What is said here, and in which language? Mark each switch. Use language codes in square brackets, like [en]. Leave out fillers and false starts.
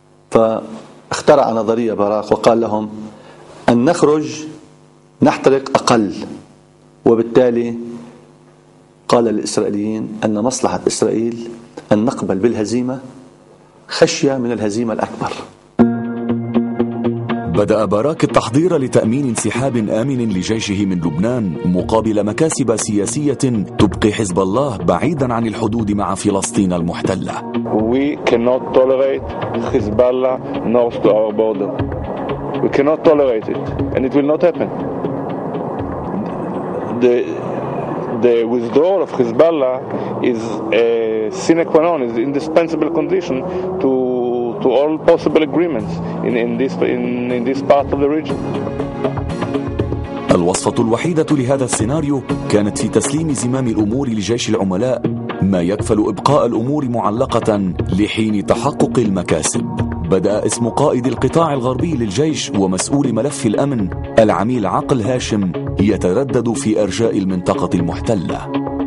[ar] فاخترع نظرية باراك وقال لهم أن نخرج نحترق أقل، وبالتالي قال للإسرائيليين أن مصلحة إسرائيل أن نقبل بالهزيمة خشية من الهزيمة الأكبر. بدأ باراك التحضير لتأمين انسحاب آمن لجيشه من لبنان مقابل مكاسب سياسية تبقي حزب الله بعيدا عن الحدود مع فلسطين المحتلة. [en] We cannot tolerate Hezbollah north to our border. We cannot tolerate it, and it will not happen. The withdrawal of Hezbollah is a sine qua non, is an indispensable condition to all possible agreements in this part of the region. [ar] الوصفة الوحيدة لهذا السيناريو كانت في تسليم زمام الأمور لجيش العملاء، ما يكفل إبقاء الأمور معلقة لحين تحقق المكاسب. بدأ اسم قائد القطاع الغربي للجيش ومسؤول ملف الأمن العميل عقل هاشم يتردد في أرجاء المنطقة المحتلة.